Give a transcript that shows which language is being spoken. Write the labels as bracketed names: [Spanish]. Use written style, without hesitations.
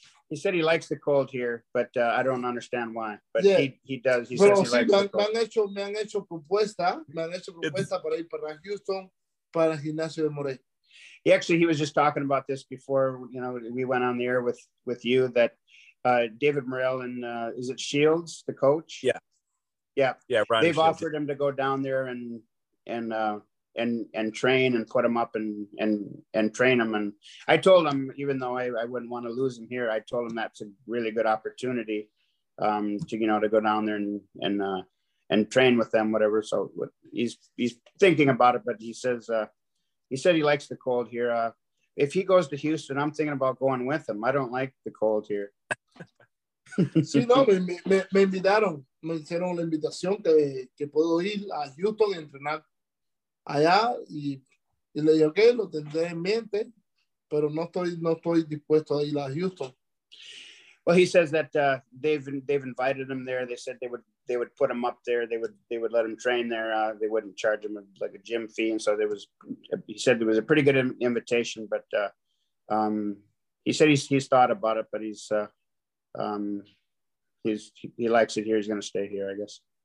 [English] He said he likes the cold here, but I don't understand why. But yeah. He does. He says he likes the cold. [Spanish] Me han hecho propuesta para ir para Houston para el gimnasio de Morel. [English] He was just talking about this before, you know, we went on the air with you, that David Morel and is it Shields, the coach? Yeah. Yeah. Yeah. Ryan They've Shields. Offered him to go down there and train and put him up and train him. And I told him, even though I wouldn't want to lose him here, I told him that's a really good opportunity to go down there and train with them, whatever. So he's thinking about it, but he says, he said he likes the cold here. If he goes to Houston, I'm thinking about going with him. I don't like the cold here. [Spanish] Sí, no, me invitaron. Me hicieron la invitación que puedo ir a Houston a entrenar allá. Y le dije, ok, lo tendré en mente, pero no estoy dispuesto a ir a Houston. [English] Well, he says that they've invited him there. They said they would put him up there. They would let him train there. They wouldn't charge him like a gym fee. And so he said there was a pretty good invitation. But he said he's thought about it, but he likes it here. He's going to stay here, I guess.